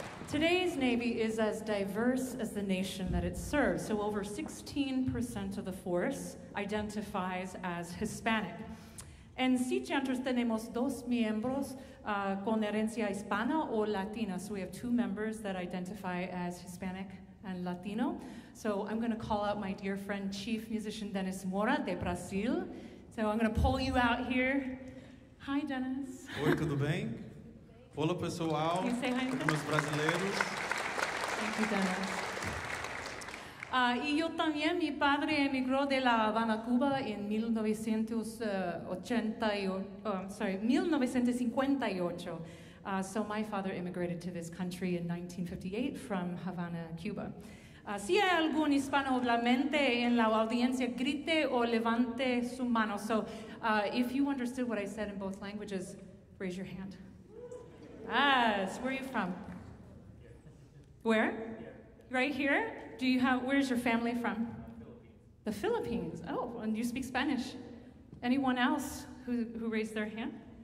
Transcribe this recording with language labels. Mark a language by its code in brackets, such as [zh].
[en] Today's Navy is as diverse as the nation that it serves. So over 16% of the force identifies as Hispanic. [es] En Sea Chanters tenemos dos miembros con herencia hispana o latina. [en] So we have two members that identify as Hispanic and Latino. So I'm going to call out my dear friend, Chief Musician Dennis Mora de Brazil. So I'm going to pull you out here. Hi, Dennis. [pt] Oi, tudo bem? Olá, pessoal. [en] Can you say hi, [pt] Dennis? Os brasileiros. [en] Thank you, Dennis. [es] Y yo también, mi padre emigró de La Habana, Cuba en 1958. [en] So my father immigrated to this country in 1958 from Havana, Cuba. [es] Si hay algún hispanohablante en la audiencia, grite o levante su mano. [en] So if you understood what I said in both languages, raise your hand. So where are you from? Where? Right here? Do you have, where's your family from? The Philippines. The Philippines. Oh, and you speak Spanish. Anyone else who raised their hand?